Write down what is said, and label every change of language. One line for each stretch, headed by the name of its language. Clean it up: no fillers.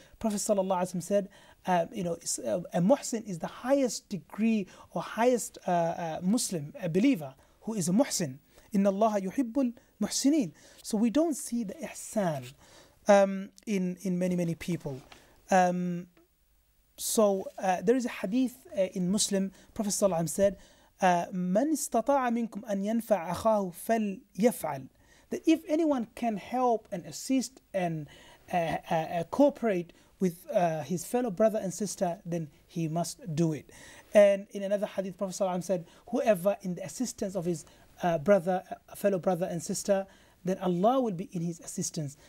English: Prophet sallallahu alaihi wasallam said, a muhsin is the highest degree or highest Muslim, a believer, who is a muhsin. Inna Allah yuhibbul muhsinin. So we don't see the ihsan in many, many people. There is a hadith in Muslim. Prophet sallallahu alaihi wasallam said,
Arabic: مَنْ اسْتَطَاعَ مِنْكُمْ أَنْ يَنْفَعَ أَخَاهُ فَلْيَفْعَلْ.
English: That if anyone can help and assist and cooperate with his fellow brother and sister, then he must do it. And in another hadith, Prophet ﷺ said, whoever in the assistance of his fellow brother and sister, then Allah will be in his assistance.